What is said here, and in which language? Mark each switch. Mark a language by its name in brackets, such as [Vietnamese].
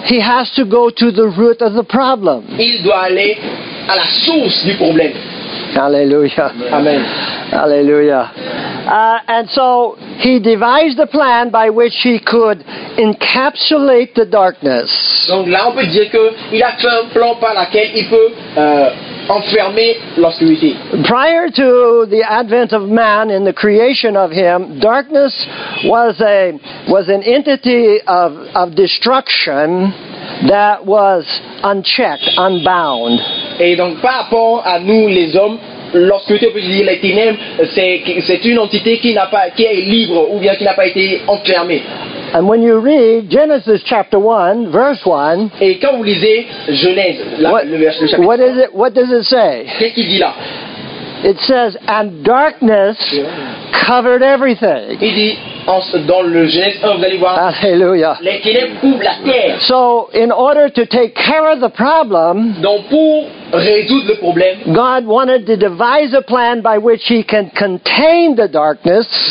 [English] He has to go to the root of the problem. [French] Il doit aller à la source du problème. Alléluia. Amen. Alléluia. [English] And so he devised a plan by which he could encapsulate the darkness. [French] Donc là on peut dire que il a fait un plan par lequel il peut [English] prior to the advent of man in the creation of him, darkness was an entity of destruction that was unchecked, unbound. [French] Et donc par rapport à nous les hommes, l'obscurité, on peut dire les ténèbres, c'est une entité qui est libre ou bien qui n'a pas été enfermée. [English] And when you read Genesis chapter 1, verse 1, [French] et quand vous lisez Genèse, le verset chapitre 1, [English] what does it say? [French] Qu'est-ce qu'il dit là? [English] It says, and darkness covered everything. [French] Il dit, dans le Genèse 1, vous allez voir, Alléluia. Les ténèbres couvrent la terre. [English] So, in order to take care of the problem, [French] donc pour résoudre le problème, [English] God wanted to devise a plan by which he can contain the darkness.